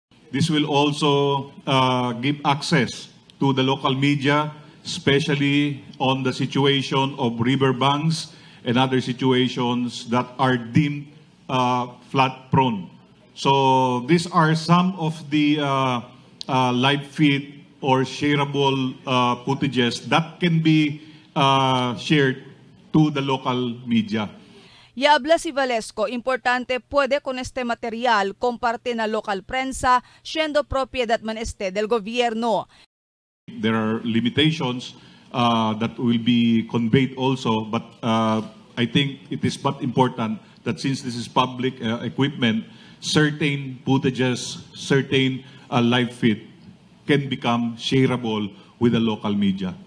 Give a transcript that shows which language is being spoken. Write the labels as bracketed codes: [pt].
[en] This will also give access to the local media, especially on the situation of river banks and other situations that are deemed flood prone. So these are some of the live feed or shareable footages that can be shared to the local media. [cbk] Ya habla si Valesco, importante puede con este material comparte na local prensa siendo propiedad man este del gobierno. [en] There are limitations that will be conveyed also, but I think it is but important that since this is public equipment, certain footages, certain live feed can become shareable with the local media.